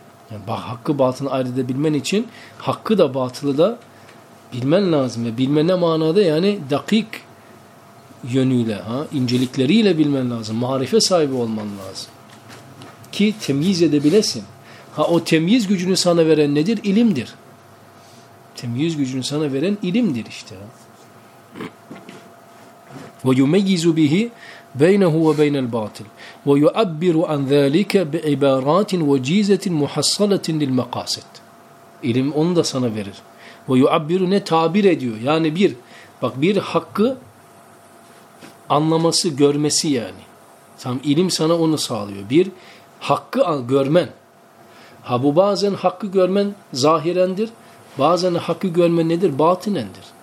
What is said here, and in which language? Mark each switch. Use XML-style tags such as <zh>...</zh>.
<tr>Yani bak hakkı batını ayırt edebilmen için hakkı da batılı da bilmen lazım. Ve bilmen ne manada yani dakik yönüyle, ha, incelikleriyle bilmen lazım. Marife sahibi olman lazım. Ki temyiz edebilesin. Ha o temyiz gücünü sana veren nedir? İlimdir. Temyiz gücünü sana veren ilimdir işte.</tr> <ar>وَيُمَيِّزُ بِهِ بَيْنَهُ وَبَيْنَ الْبَاطِلِ وَيُعَبِّرُ عَنْ ذَٰلِكَ بِعِبَارَاتٍ وَجِيزَةٍ مُحَصَّلَةٍ لِلْمَقَاسِدِ</ar> <tr>İlim onu da sana verir.</tr> <ar>وَيُعَبِّرُ</ar> <tr>ne tabir ediyor. Yani bir, bak bir hakkı anlaması, görmesi yani. Tam ilim sana onu sağlıyor. Bir, hakkı görmen. Ha bu bazen hakkı görmen zahirendir. Bazen hakkı görmen nedir? Batinendir.</tr>